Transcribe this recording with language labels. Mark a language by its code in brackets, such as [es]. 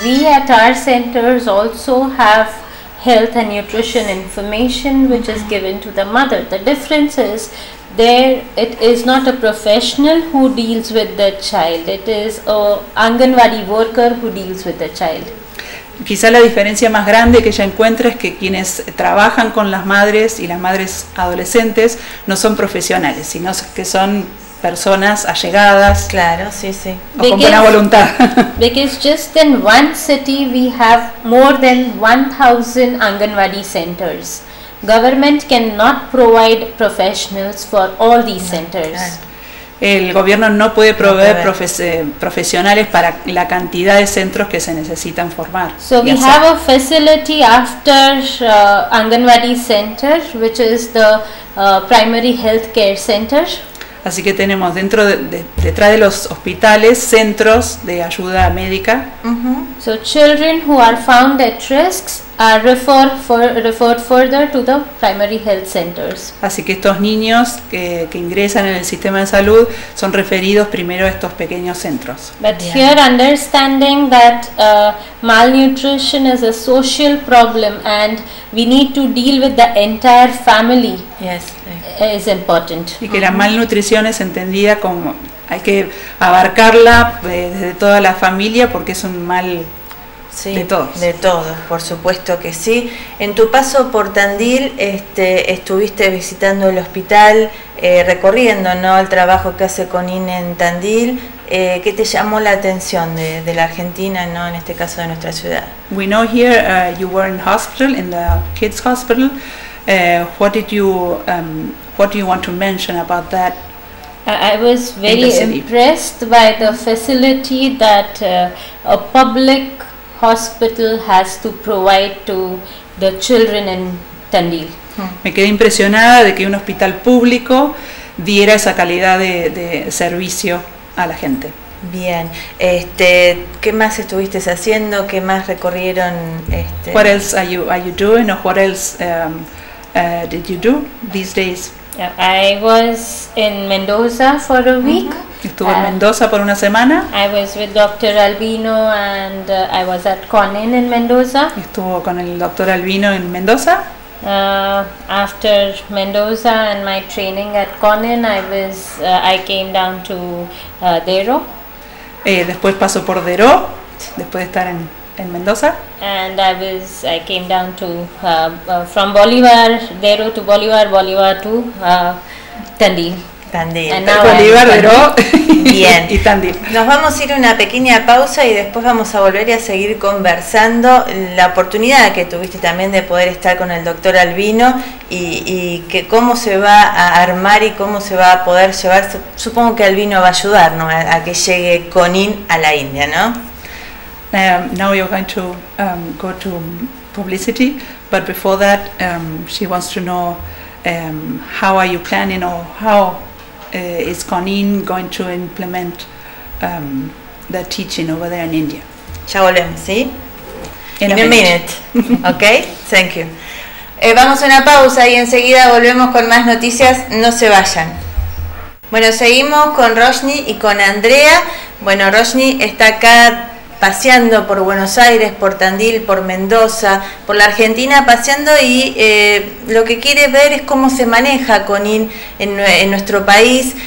[en] We at our centers also have health and nutrition information which is given to the mother. The difference is there it is not a professional who deals with the child. It is a Anganwadi worker who deals with the child. [es] Quizá la diferencia más grande que ella encuentra es que quienes trabajan con las madres y las madres adolescentes no son profesionales, sino que son personas allegadas. Claro, sí, sí. O con buena voluntad. [en] Because just in one city we have more than 1,000 Anganwadi centers. Government cannot provide professionals for all these centers. [es] El gobierno no puede proveer profesionales para la cantidad de centros que se necesitan formar. [en] So we have a facility after Anganwadi center, which is the primary health care center. [es] Así que tenemos dentro detrás de los hospitales centros de ayuda médica. [en] So children who are found at risk are referred further to the primary health centers. [es] Así que estos niños que ingresan en el sistema de salud son referidos primero a estos pequeños centros. [en] But here, understanding that malnutrition is a social problem and we need to deal with the entire family. Yes. Is important. [es] Y que la malnutrición es entendida como hay que abarcarla desde toda la familia porque es un mal de todos, por supuesto que sí. En tu paso por Tandil, estuviste visitando el hospital, recorriendo, ¿no?, el trabajo que hace con INE en Tandil. ¿Qué te llamó la atención de la Argentina, ¿no?, en este caso de nuestra ciudad? [en] We know here you were in hospital, in the kids hospital. What do you want to mention about that? I was very impressed by the facility that a public hospital has to provide to the children in Tandil. Me quedé impresionada de que un hospital público diera esa calidad de servicio a la gente. [es] Bien. ¿Qué más estuviste haciendo? ¿Qué más recorrieron? [en] What else are you doing, or what else did you do these days? I was in Mendoza for a week. [es] Estuve en Mendoza por una semana. [en] I was with Dr. Albino and I was at Conin in Mendoza. [es] Estuvo con el Dr. Albino en Mendoza. [en] After Mendoza and my training at Conin, I came down to Dero. [es] Después pasó por Dero, después de estar en Mendoza. [en] And I came down to from Bolivar, Dero to Bolivar, Bolivar to Tandil. And now Bolivar, Dero y Tandil. [es] Nos vamos a ir a una pequeña pausa y después vamos a volver y a seguir conversando. La oportunidad que tuviste también de poder estar con el doctor Albino y que cómo se va a armar y cómo se va a poder llevar. Supongo que Albino va a ayudar, ¿no?, a que llegue Conin a la India, ¿no? [en] Now you're going to go to publicity, but before that, she wants to know how are you planning, or how is Conin going to implement the teaching over there in India? [es] Ya volvemos, ¿sí? [en] In a minute. Okay, thank you. [es] Vamos a una pausa y enseguida volvemos con más noticias. No se vayan. Bueno, seguimos con Roshni y con Andrea. Bueno, Roshni está acá paseando por Buenos Aires, por Tandil, por Mendoza, por la Argentina, paseando y lo que quiere ver es cómo se maneja Conin en nuestro país.